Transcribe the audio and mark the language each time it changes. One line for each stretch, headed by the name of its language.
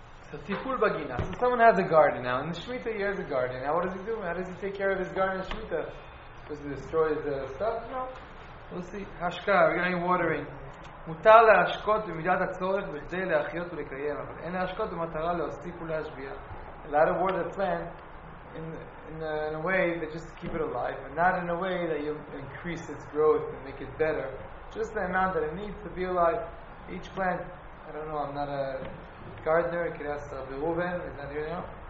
English: So, tiful bagina. So, someone has a garden now. In the Shemitah, he has a garden. Now, what does he do? How does he take care of his garden in Shemitah? Does he destroy the stuff? No. We'll see. Hashka, regarding watering.
Hebrew: מותר להשקות במידת הצורך בכדי להחיות ולקיים, אבל אין להשקות במטרה להוסיף ולהשביע.
English: A lot of water plant in a way that just keep it alive, and not in a way that you increase its growth and make it better. Just the amount that it needs to be alive. Each plant, I don't know, I'm not a gardener, I could ask Rabbi Reuven, is that here now?